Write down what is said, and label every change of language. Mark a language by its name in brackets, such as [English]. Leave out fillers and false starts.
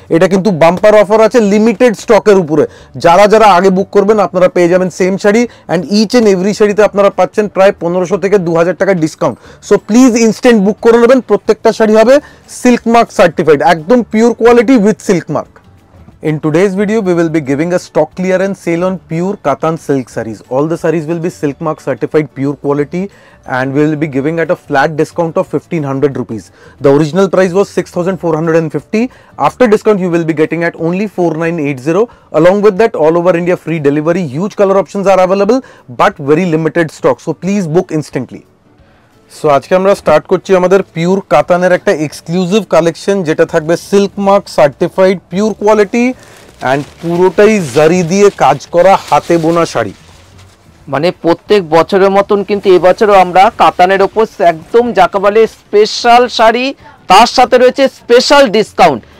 [Bangla] এটা কিন্তু bumper offer আছে লিমিটেড স্টকের উপরে। যারা যারা আগে বুক করবেন আপনারা পেয়ে যাবেন same sari, and each and every শাড়িতে আপনারা পাচ্ছেন প্রায় 1,500 থেকে 2,000 টাকার ডিসকাউন্ট। সো প্লিজ ইনস্ট্যান্ট বুক করে নেবেন। প্রত্যেকটা শাড়ি হবে সিল্ক মার্ক সার্টিফাইড, একদম pure quality with silk mark. [English] In today's video, we will be giving a stock clearance sale on pure Katan silk sarees. All the sarees will be silk mark certified pure quality and we will be giving at a flat discount of 1500 rupees. The original price was 6450. After discount, you will be getting at only 4980. Along with that, all over India free delivery, huge color options are available but very limited stock. So please book instantly. [Bangla] So আজকে আমরা start করছি আমাদের pure কাতানের একটা exclusive collection, যেটা থাকবে silk mark certified pure quality and পুরোটাই জারি দিয়ে কাজ করা হাতে বোনা শাড়ি। মানে প্রত্যেক বছরের মতন কিন্তু এবছরও আমরা কাতানের ওপর একদম যাকে বলে স্পেশাল শাড়ি, তার সাথে রয়েছে স্পেশাল ডিসকাউন্ট।